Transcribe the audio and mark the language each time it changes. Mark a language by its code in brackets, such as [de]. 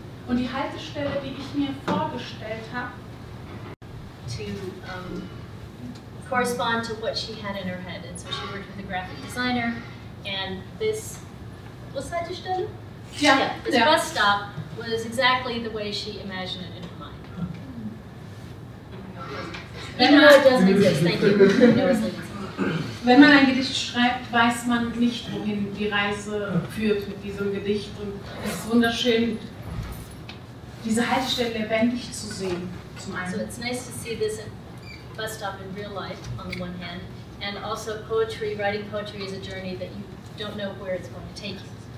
[de] Und die Haltestelle, die ich mir vorgestellt habe, [en] to correspond to what she had in her head. And so she worked with a graphic designer, and this, was Haltestelle? Yeah. This bus stop was exactly the way she imagined it in her mind. Even though it doesn't exist, thank you. [de] Wenn man ein Gedicht schreibt, weiß man nicht, wohin die Reise führt mit diesem Gedicht. Und es ist wunderschön, diese Haltestelle lebendig zu sehen, zum einen. [en] So it's nice to see this bus stop in real life, on the one hand. And also poetry, writing poetry is a journey that you don't know where it's going to take you.